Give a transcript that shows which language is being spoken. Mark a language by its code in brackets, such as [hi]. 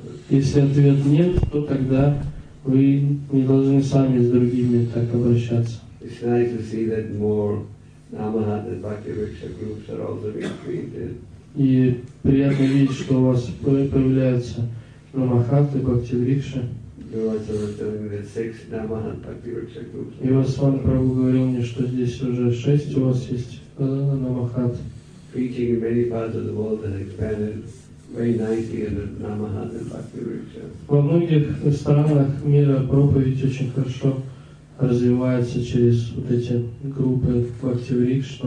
[ru] Если ответ нет, то тогда вы не должны сами с другими так обращаться. [en] It's nice to see that more Namahat and Bhakti Riksha groups are also being created. [ru] И приятно видеть, что у вас появляются Намахат и Бхакти Рикша. И вас Сван Прабху говорил мне, что здесь уже 6 у вас есть Намахат. [en] Preaching in many parts of the world has expanded very nicely under Namahat and Bhakti Riksha. [ru] Во многих странах мира проповедь очень хорошо развивается через вот эти группы Бхакти Рикша,